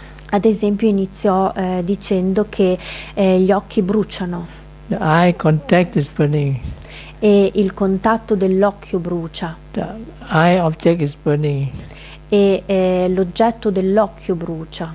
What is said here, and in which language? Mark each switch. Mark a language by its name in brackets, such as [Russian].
[Italian] Ad esempio iniziò dicendo che gli occhi bruciano. [English] The eye contact is burning. [Italian] E il contatto dell'occhio brucia. [English] The eye object is burning. [Italian] E l'oggetto dell'occhio brucia.